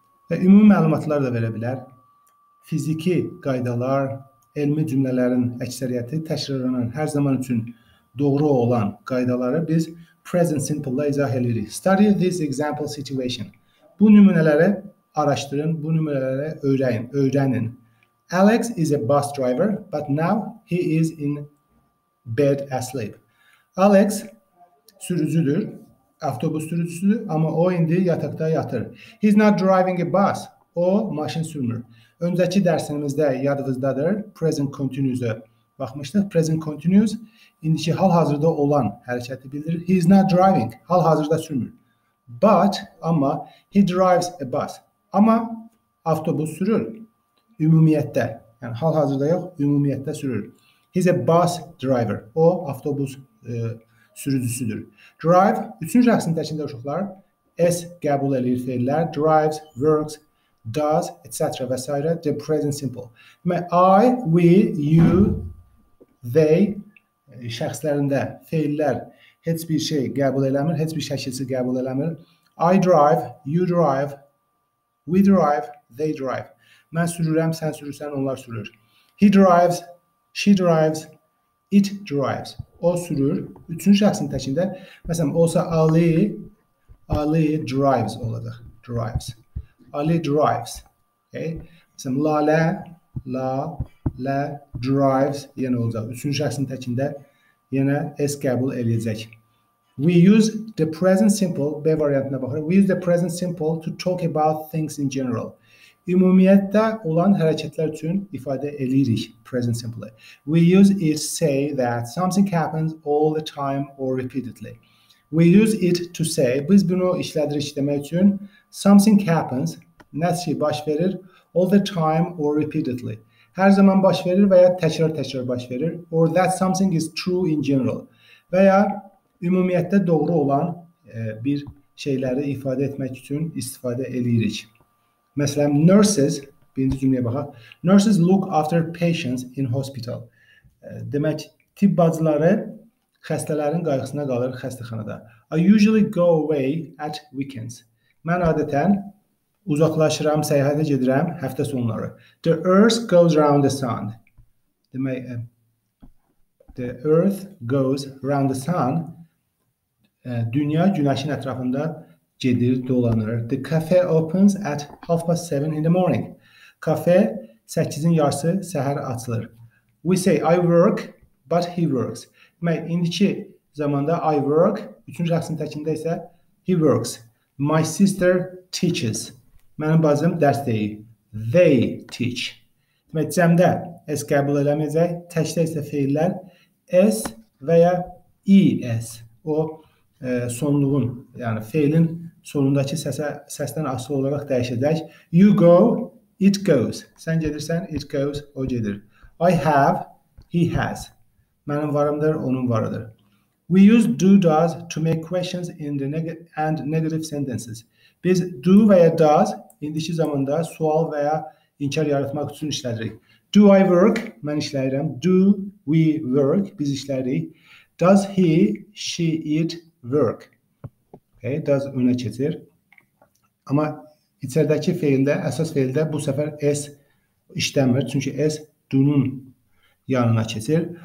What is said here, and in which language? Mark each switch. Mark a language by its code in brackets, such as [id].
[az] Və ümumi məlumatlar da verə bilər. Fiziki qaydalar, elmi cümlələrin əksəriyyəti təkrarlanan hər zaman üçün doğru olan qaydaları biz present simple-la izah edirik. [en] Study this example situation. [az] Bu nümunələri araşdırın, bu nümunələri öyrənin. [en] Alex is a bus driver, but now he is in bed asleep. [az] Alex sürücüdür. Avtobus sürücüsüdür, amma o indi yataqda yatır. [en] He's not driving a bus. [az] O, maşın sürmür. Öncəki dərsimizdə yadınızdadır. Present continuous-a baxmışdıq. Present continuous, indiki hal-hazırda olan hərəkəti bildirir. [en] He's not driving. [az] Hal-hazırda sürmür. [en] But, amma, he drives a bus. [az] Amma, avtobus sürür. Ümumiyyətdə, yəni hal-hazırda yox, ümumiyyətdə sürür. [en] He's a bus driver. [az] O, avtobus sürücüsüdür. Drive, üçüncü rəqsinin təkində uşaqlar, S qəbul edir feillər, drives, works, does, etc. və s. [en] The present simple. [az] Demək, I, we, you, they şəxslərində feillər heç bir şey qəbul eləmir, heç bir şəkilsi qəbul eləmir. [en] I drive, you drive, we drive, they drive. [az] Mən sürürəm, sən sürürsən, onlar sürür. [en] He drives, she drives, it drives. [az] O sürür. Üçüncü şəxsin təkində, məsələn, olsa Ali, Ali drives olacaq. Drives. Ali drives. Okay. Məsələn, Lale, Lale drives yenə olacaq. Üçüncü şəxsin təkində yenə S qəbul eləyəcək. [en] We use the present simple, [az] B variantına baxırıq. [en] We use the present simple to talk about things in general. [az] Ümumiyyətdə olan hərəkətlər üçün ifadə edirik present simple. [en] We use it to say that something happens all the time or repeatedly. We use it to say, [az] biz bunu işlədirik demək üçün, [en] something happens, [az] nəsə baş verir, [en] all the time or repeatedly. [az] Hər zaman baş verir və ya təkrar-təkrar baş verir. [en] Or that something is true in general. [az] Və ya ümumiyyətdə doğru olan bir şeyləri ifadə etmək üçün istifadə edirik. Məsələn, nurses, birinci cümləyə baxaq. [en] Nurses look after patients in hospital. [az] Demək, tibb bacıları xəstələrin qayğısına qalır xəstəxanada. [en] I usually go away at weekends. [az] Mən adətən uzaqlaşıram, səyahətə gedirəm həftə sonları. [en] The earth goes round the sun. Demək, the earth goes round the sun. [az] Dünya günəşin ətrafında gedir, dolanır. [en] The cafe opens at 7:30 in the morning. [az] Kafe 8-in yarısı səhər açılır. [en] We say I work, but he works. [az] Demək, indiki zamanda I work, üçüncü şəxsin təkində isə he works. [en] My sister teaches. [az] Mənim bacım dərs deyir. [en] They teach. [az] Demək, cəmdə S qəbul eləməyəcək. Təkdə isə feillər S və ya ES. O, sonluğun, yəni feilin sonundakı səsdən asılı olaraq dəyişəcək. [en] You go, it goes. [az] Sən gedirsən, [en] it goes, [az] o gedir. [en] I have, he has. [az] Mənim varımdır, onun varıdır. [en] We use do, does to make questions in the negative sentences. [az] Biz do və ya does indiki zamanda sual və ya inkar yaratmaq üçün işlədirik. [en] Do I work? [az] Mən işləyirəm. [en] Do we work? [az] Biz işləyirik. [en] Does he, she, it work? Okay, does [az] önə keçir. Amma içərdəki feildə, əsas feildə bu səfər S işləmir. Çünki S do-nun yanına keçir.